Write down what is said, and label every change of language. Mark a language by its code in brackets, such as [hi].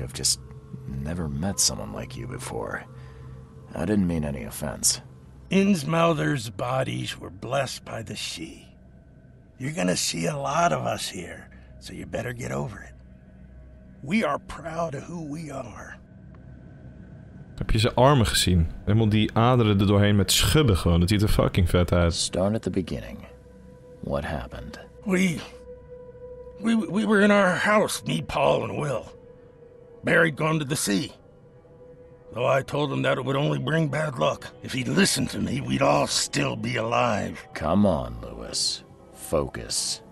[en] I've just never met someone like you before. I didn't mean any offense. Innsmouther's bodies were blessed by the she. You're gonna see a lot of us here, so you better get over it. We are proud of who we are. [nl] Heb je zijn armen gezien? Helemaal die aderen er doorheen met schubben gewoon. Dat ziet er fucking vet uit. [en] Start at the beginning. What happened? We were in our house, me, Paul, and Will. Buried gone to the sea. Though I told him that it would only bring bad luck. If he'd listened to me, we'd all still be alive. Come on, Lewis. Focus.